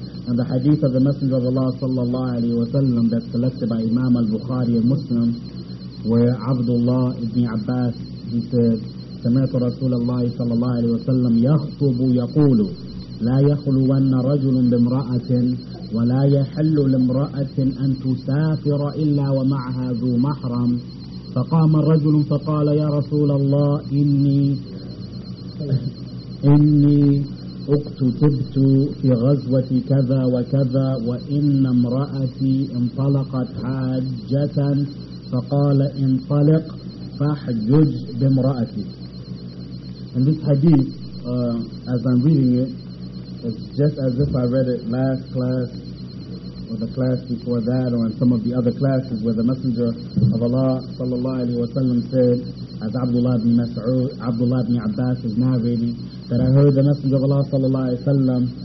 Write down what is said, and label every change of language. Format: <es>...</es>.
<en>And the hadith of the Messenger of Allah sallallahu alayhi wa sallam that's collected by Imam al-Bukhari and Muslim, where Abdullah ibn Abbas, he said,</en> <ar>سمعت رسول الله صلى الله عليه وسلم يخطب يقول لا يخلون رجل بامرأة ولا يحل لامرأة أن تسافر إلا ومعها ذو محرم. فقام الرجل فقال يا رسول الله إني اقتتبت في غزوة كذا وكذا، وإن امرأتي انطلقت حاجة، فقال انطلق فاحجج بامرأتي.</ar> <en>And this hadith, as I'm reading it, it's just as if I read it last class or the class before that, or in some of the other classes, where the Messenger of Allah sallallahu alayhi wa sallam said, as Abdullah ibn Abbas is narrating, that I heard the Messenger of Allah sallallahu alayhi wa sallam</en>